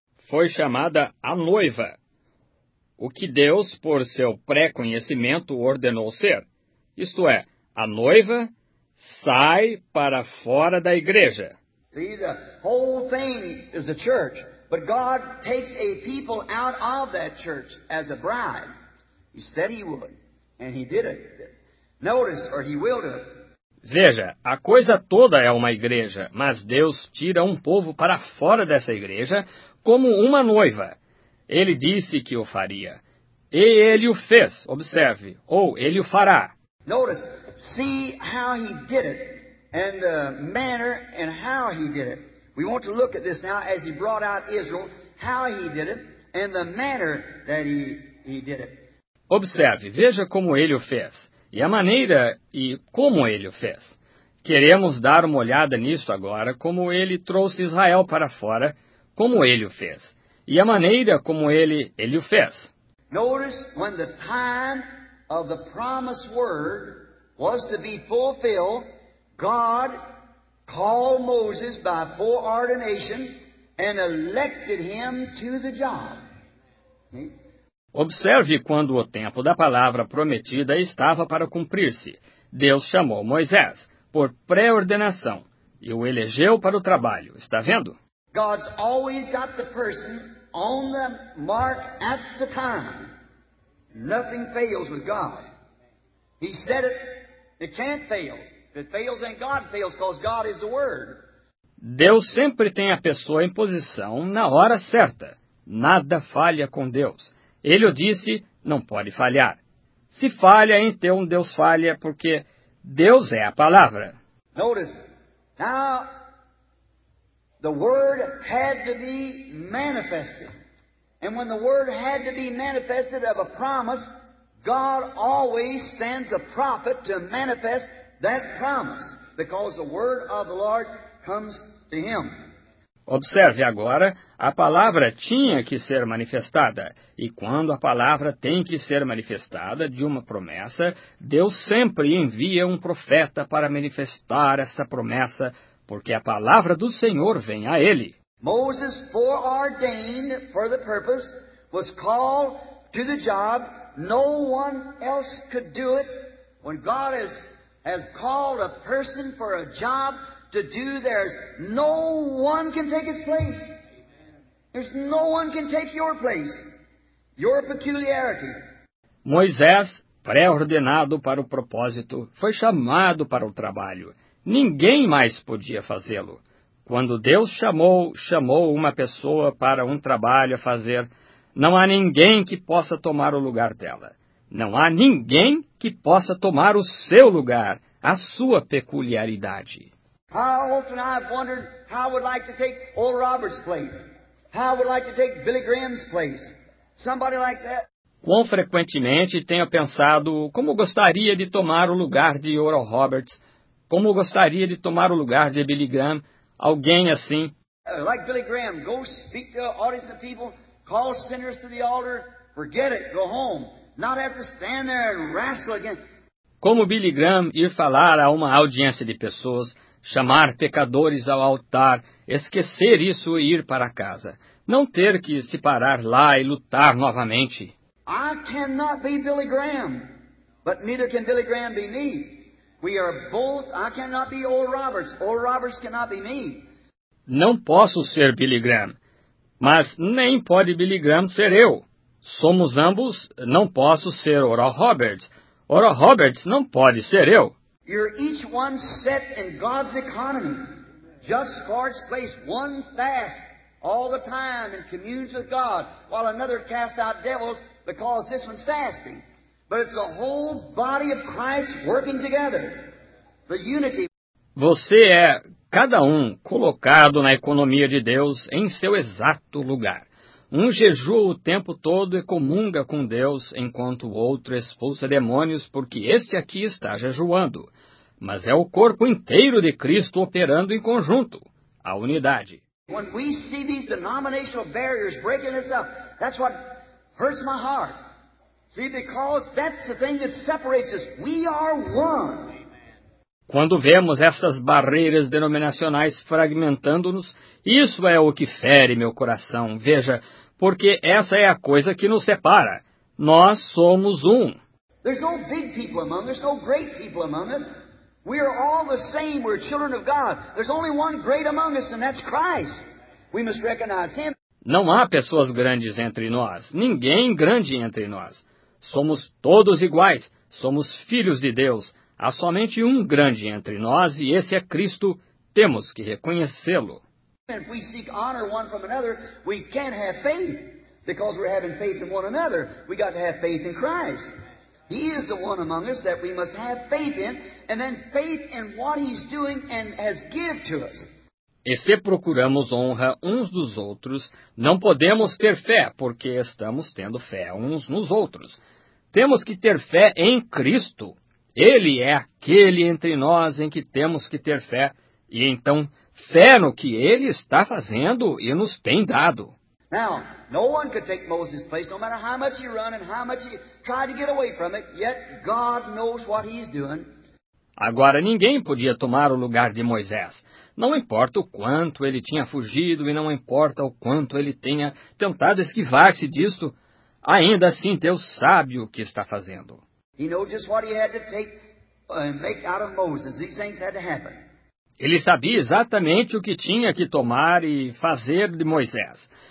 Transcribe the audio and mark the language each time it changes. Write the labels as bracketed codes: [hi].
[pt] Foi chamada a noiva, o que Deus, por seu pré-conhecimento, ordenou ser. Isto é, a noiva sai para fora da igreja. [en] See, the whole thing is a church, but God takes a people out of that church as a bride. He said he would, and he did it. Notice, or he will do it. [pt] Veja, a coisa toda é uma igreja, mas Deus tira um povo para fora dessa igreja como uma noiva. Ele disse que o faria. E ele o fez, observe, ou ele o fará. [en] Notice, see how he did it, and the manner and how he did it. We want to look at this now as he brought out Israel, how he did it, and the manner that he did it. [pt] Observe, veja como ele o fez, e a maneira e como ele o fez. Queremos dar uma olhada nisso agora, como ele trouxe Israel para fora, como ele o fez. E a maneira como ele o fez. [en] Notice when the time of the promised word was to be fulfilled, God called Moses by foreordination and elected him to the job. [pt] Observe quando o tempo da palavra prometida estava para cumprir-se. Deus chamou Moisés por pré-ordenação e o elegeu para o trabalho. Está vendo? [en] God's always got the person on the mark at the time. Nothing fails with God. He said it, it can't fail. If it fails, then God fails, because God is the Word. [pt] Deus sempre tem a pessoa em posição na hora certa. Nada falha com Deus. Ele o disse, não pode falhar. Se falha, então Deus falha, porque Deus é a palavra. [en] Notice, now the word had to be manifested. And when the word had to be manifested of a promise, God always sends a prophet to manifest that promise, because the word of the Lord comes to him. [pt] Observe agora, a palavra tinha que ser manifestada, e quando a palavra tem que ser manifestada de uma promessa, Deus sempre envia um profeta para manifestar essa promessa, porque a palavra do Senhor vem a ele. [en] Moses, foreordained for the purpose, was called to the job. No one else could do it. When God has called a person for a job to do, there's no one can take his place. There's no one can take your place, your peculiarity. [pt] Moisés, pré-ordenado para o propósito, foi chamado para o trabalho. Ninguém mais podia fazê-lo. Quando Deus chamou uma pessoa para um trabalho a fazer, não há ninguém que possa tomar o lugar dela. Não há ninguém que possa tomar o seu lugar, a sua peculiaridade. [en] How often I've wondered how I would like to take Old Robert's place. How I would like to take Billy Graham's place. Somebody like that. [pt] Quão frequentemente tenho pensado como gostaria de tomar o lugar de Oral Roberts, como gostaria de tomar o lugar de Billy Graham, alguém assim. [en] Like Billy Graham, go speak to an audience of people Call sinners to the altar. Forget it. Go home. Not have to stand there and wrestle again. [pt] Como Billy Graham ir falar a uma audiência de pessoas, chamar pecadores ao altar, esquecer isso e ir para casa. Não ter que se parar lá e lutar novamente. [en] I cannot be Billy Graham, but neither can Billy Graham be me. We are both, I cannot be Oral Roberts. Oral Roberts cannot be me. [pt] Não posso ser Billy Graham, mas nem pode Billy Graham ser eu. Somos ambos, não posso ser Oral Roberts. Oral Roberts não pode ser eu. [en] You're each one set in God's economy. Just God's place, one fast all the time and communes with God, while another casts out devils because this one's fasting. But it's the whole body of Christ working together. The unity. [pt] Você é cada um colocado na economia de Deus em seu exato lugar. Um jejua o tempo todo e comunga com Deus, enquanto o outro expulsa demônios porque este aqui está jejuando. Mas é o corpo inteiro de Cristo operando em conjunto, a unidade. [en] When we see these denominational barriers breaking us up, that's what hurts my heart. See, because that's the thing that separates us. We are one. [pt] Quando vemos essas barreiras denominacionais fragmentando-nos, isso é o que fere meu coração. Veja, porque essa é a coisa que nos separa. Nós somos um. [en] There's no big people among us, no great people among us. We are all the same, we're children of God. There's only one great among us, and that's Christ. We must recognize him. [pt] Não há pessoas grandes entre nós, ninguém grande entre nós. Somos todos iguais, somos filhos de Deus. Há somente um grande entre nós, e esse é Cristo. Temos que reconhecê-lo. [en] And if we seek honor one from another, we can't have faith. Because we're having faith in one another, we got to have faith in Christ. He is the one among us that we must have faith in, and then faith in what he's doing and has given to us. [pt] E se procuramos honra uns dos outros, não podemos ter fé, porque estamos tendo fé uns nos outros. Temos que ter fé em Cristo. Ele é aquele entre nós em que temos que ter fé, e então fé no que ele está fazendo e nos tem dado. [en] Now, no one could take Moses' place, no matter how much he run and how much he tried to get away from it, yet God knows what he's doing. [pt] Agora, ninguém podia tomar o lugar de Moisés. Não importa o quanto ele tinha fugido e não importa o quanto ele tenha tentado esquivar-se disto, ainda assim Deus sabe o que está fazendo. [en] He knows just what he had to take and make out of Moses. These things had to happen. [pt] Ele sabia exatamente o que tinha que tomar e fazer de Moisés.